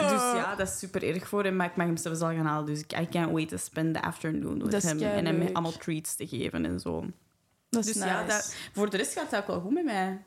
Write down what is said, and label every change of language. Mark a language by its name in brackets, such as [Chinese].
[Dutch] Dus ja, dat is super erg voor hem. Maar ik mag hem zelfs al gaan halen. [English] Dus I can't wait to spend the afternoon with him. [Dutch] Keilig. En hem allemaal treats te geven en zo. Dat is dus nice. Ja, voor de rest gaat het ook wel goed met mij.